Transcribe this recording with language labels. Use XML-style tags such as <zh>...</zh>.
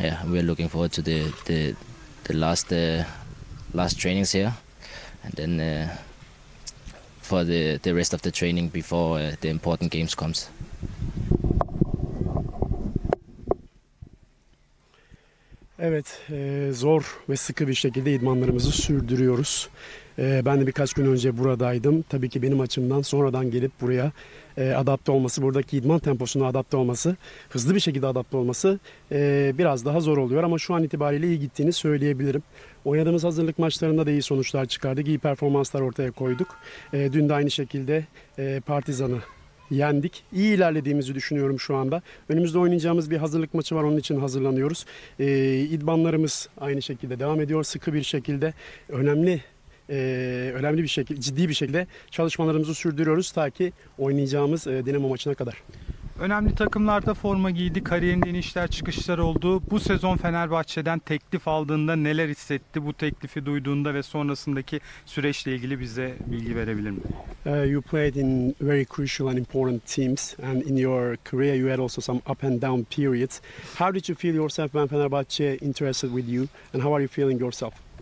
<en>We are looking forward to the last trainings here, and then for the rest of the training before the important games comes.</en> <tr>Evet, zor ve sıkı bir şekilde idmanlarımızı sürdürüyoruz. Ben de birkaç gün önce buradaydım. Tabii ki benim açımdan sonradan gelip buraya adapte olması, buradaki idman temposuna adapte olması, hızlı bir şekilde adapte olması biraz daha zor oluyor. Ama şu an itibariyle iyi gittiğini söyleyebilirim. Oynadığımız hazırlık maçlarında da iyi sonuçlar çıkardık, iyi performanslar ortaya koyduk. Dün de aynı şekilde Partizan'ı yendik. İyi ilerlediğimizi düşünüyorum şu anda. Önümüzde oynayacağımız bir hazırlık maçı var. Onun için hazırlanıyoruz. İdmanlarımız aynı şekilde devam ediyor. Sıkı bir şekilde önemli bir şekilde, ciddi bir şekilde çalışmalarımızı sürdürüyoruz ta ki oynayacağımız Dinamo maçına kadar. Önemli takımlarda forma giydi. Kariyerinde inişler çıkışlar oldu. Bu sezon Fenerbahçe'den teklif aldığında neler hissetti? Bu teklifi duyduğunda ve sonrasındaki süreçle ilgili bize bilgi verebilir mi?</tr> <en>You played in very crucial and important teams, and in your career you had also some up and down periods. How did you feel yourself when Fenerbahçe interested with you, and how are you feeling yourself?</en>